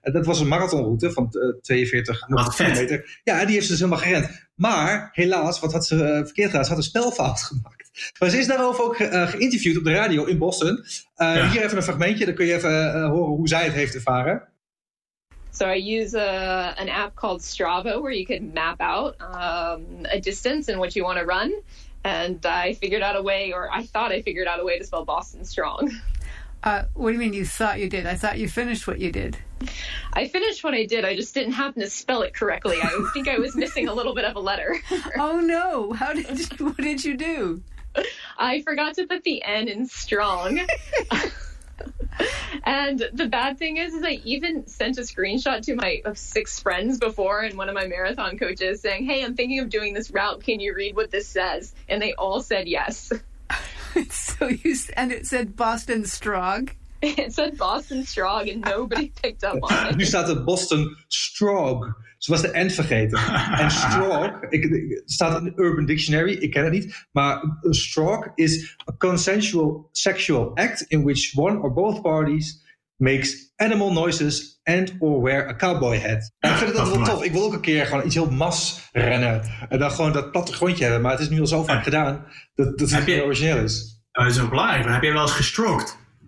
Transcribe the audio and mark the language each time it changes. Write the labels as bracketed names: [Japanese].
[Dutch] En dat was een marathonroute van 42 kilometer. Ja, en die heeft ze dus helemaal gerend. Maar helaas, wat had ze verkeerd gedaan? Ze had een spelfout gemaakt. Maar ze is daarover ook geïnterviewd op de radio in Boston. Hier even een fragmentje, dan kun je even horen hoe zij het heeft ervaren. [English] So I use an app called Strava where you can map out a distance in which you want to run. And I thought I figured out a way to spell Boston Strong. What do you mean you thought you did? I thought you finished what you did. I finished what I did. I just didn't happen to spell it correctly. I think I was missing a little bit of a letter. Oh, no. What did you do? I forgot to put the N in strong. And the bad thing is I even sent a screenshot to my six friends before and one of my marathon coaches saying, hey, I'm thinking of doing this route. Can you read what this says? And they all said yes. And it said Boston Strong? It said Boston Strong and nobody picked up on it. [Dutch] Nu staat het Boston Strong. Ze was de N vergeten. En Strong, staat in Urban Dictionary, ik ken het niet. Maar [English] a stroke is a consensual sexual act in which one or both parties makes animal noises and or wear a cowboy hat. [Dutch] En ik vind dat wel tof. Ik wil ook een keer gewoon iets heel mas rennen. En dan gewoon dat platte grondje hebben. Maar het is nu al zo vaak gedaan dat het niet origineel is. Dat is wel belangrijk. Maar heb jij wel eens gestroked?